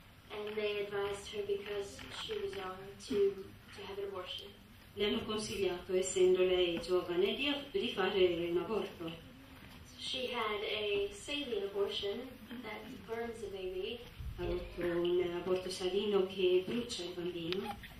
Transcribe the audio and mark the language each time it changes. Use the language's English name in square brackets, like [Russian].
[English] And they advised her because she was young to have an abortion. [Italian] Le hanno consigliato, essendo lei giovane, di fare un aborto. [English] She had a saline abortion that burns the baby. [Italian] Ha avuto un aborto salino che brucia il bambino.